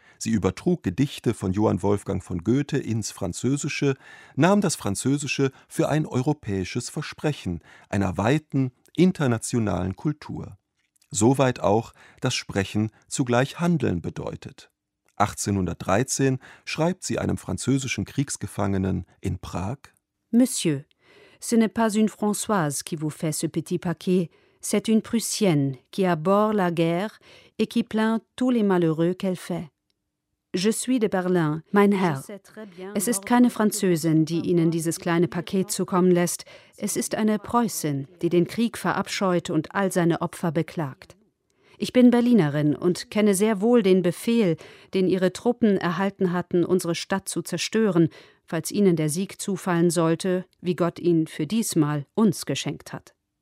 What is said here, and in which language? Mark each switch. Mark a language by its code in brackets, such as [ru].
[de] Sie übertrug Gedichte von Johann Wolfgang von Goethe ins Französische, nahm das Französische für ein europäisches Versprechen einer weiten, internationalen Kultur. Soweit auch, dass Sprechen zugleich Handeln bedeutet. 1813 schreibt sie einem französischen Kriegsgefangenen in Prag: [fr] Monsieur, ce n'est pas une Françoise qui vous fait ce petit paquet, c'est une Prussienne qui abhorre la guerre et qui plaint tous les malheureux qu'elle fait. Je suis de Berlin, [de] mein Herr. Es ist keine Französin, die Ihnen dieses kleine Paket zukommen lässt. Es ist eine Preußin, die den Krieg verabscheut und all seine Opfer beklagt. Ich bin Berlinerin und kenne sehr wohl den Befehl, den Ihre Truppen erhalten hatten, unsere Stadt zu zerstören, falls Ihnen der Sieg zufallen sollte, wie Gott ihn für diesmal uns geschenkt hat.